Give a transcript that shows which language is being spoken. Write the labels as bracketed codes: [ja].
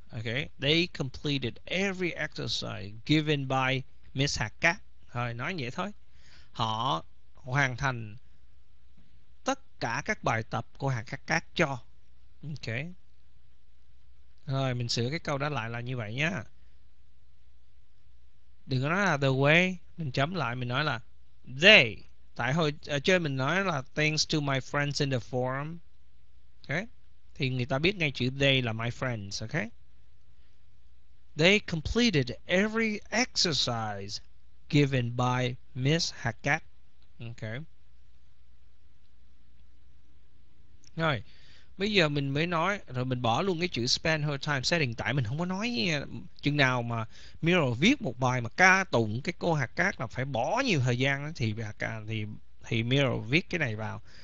[en] Okay, they completed every exercise given by Miss Hakka. [vi] Thôi nói vậy thôi. Họ hoàn thành tất cả các bài tập của Hakka cho. Ok. Rồi mình sửa cái câu đó lại là như vậy nhá. Đừng có nói là the way, mình chấm lại mình nói là they. Tại hồi ở trên mình nói là [en] thanks to my friends in the forum. [vi] Okay. Thì người ta biết ngay chữ they là my friends, okay? [en] They completed every exercise given by Miss Hackett. Okay. [vi] Rồi, bây giờ mình mới nói, rồi mình bỏ luôn cái chữ spend her time setting, tại mình không có nói chừng nào mà Miro viết một bài mà ca tụng cái cô Hackett là phải bỏ nhiều thời gian thì Miro viết cái này vào.